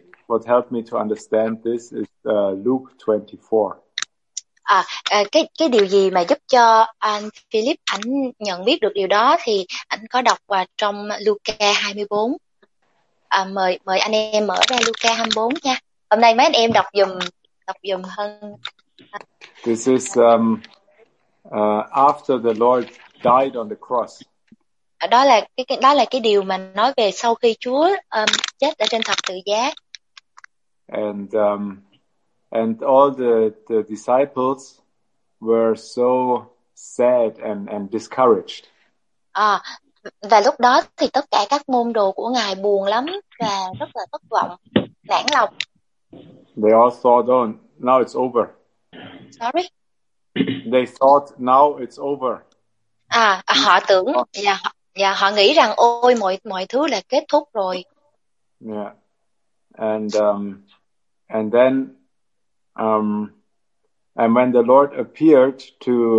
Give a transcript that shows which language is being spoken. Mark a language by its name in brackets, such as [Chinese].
[English] What helped me to understand this is Luke 24. [Vietnamese] Cái điều gì mà giúp cho anh Philip ảnh nhận biết được điều đó thì anh có đọc trong Luca 24. Mời anh em mở ra Luca 24 nha. Hôm nay mấy anh em đọc dùm hơn. [English] This is after the Lord died on the cross. [Vietnamese] Đó là cái điều mà nói về sau khi Chúa chết ở trên thập tự giá. [English] And and all the disciples were so sad and discouraged. [Vietnamese] Và lúc đó thì tất cả các môn đồ của Ngài buồn lắm và rất là thất vọng, nản lòng. [English] They all thought, oh, now it's over. Sorry. They thought now it's over. [Vietnamese] Họ tưởng là và họ nghĩ rằng ôi mọi thứ là kết thúc rồi. Yeah. [English] And and then and when the Lord appeared to